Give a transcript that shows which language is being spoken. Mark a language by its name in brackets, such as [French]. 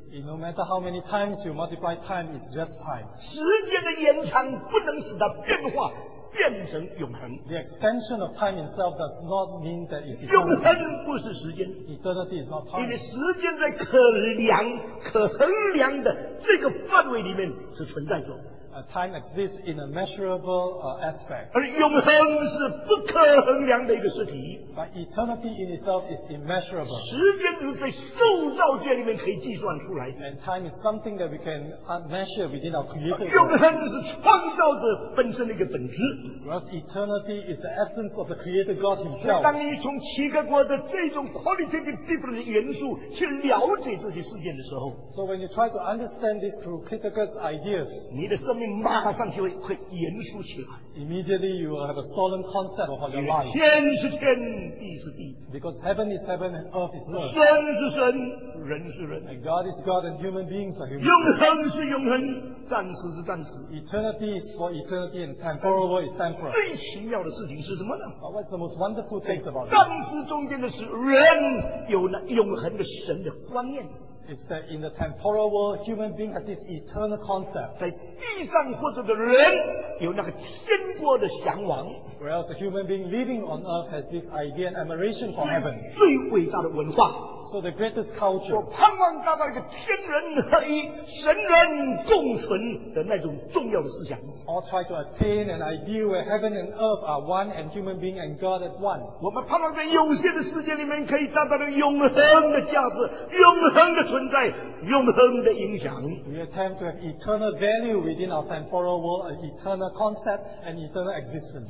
[English] No matter how many times you multiply time, it's just time. [Chinese] 时间的延长不能使它变化。变成永恒. [English] The extension of time itself does not mean that it's eternity. [Chinese] 永恒不是时间. [English] Eternity is not time. [Chinese] 因为时间在可量、可衡量的这个范围里面是存在着. [English] Time exists in a measurable aspect. [Chinese] 而永恒是不可衡量的一个实体. [English] But eternity in itself is immeasurable. [Chinese] 时间是在塑造界里面可以计算出来. [English] And time is something that we can measure within our creator. [Chinese] 永恒是创造者本身的一个本质. [English] Whereas eternity is the essence of the creator God himself. [Chinese] 当你从七个国的这种 [English] qualitative difference [Chinese] 元素去了解这些事件的时候, [English] so when you try to understand this through Kierkegaard's ideas, [Chinese] 你的生命马上就会严肃起来。 [English] Immediately you will have a solemn concept of your life. [Chinese] 天是天，地是地。 [English] Because heaven is heaven and earth is earth. [Chinese] 神是神，人是人。 [English] And God is God and human beings are human. [Chinese] 永恒是永恒，暂时是暂时。 [English] Eternity is for eternity and temporal world is temporal. [Chinese] 最奇妙的事情是什么呢? [English] But what's the most wonderful things about it? [Chinese] 暂时中间的是人有了永恒的神的观念。 [English] is that in the temporal world, human beings have this eternal concept. [Chinese] 在地上活着的人有那个天国的向往, [English] whereas the human being living on earth has this idea and admiration for heaven. [Chinese] 最伟大的文化, [English] so the greatest culture. [Chinese] 所盼望达到一个天人合一,神人共存的那种重要的思想, [English] all try to attain an ideal where heaven and earth are one and human being and God at one. [Chinese] 我们盼望在有限的世界里面可以达到永恒的价值, 永恒的存在, 永恒的影响。 [English] We attempt to have eternal value within our temporal world, an eternal concept and eternal existence.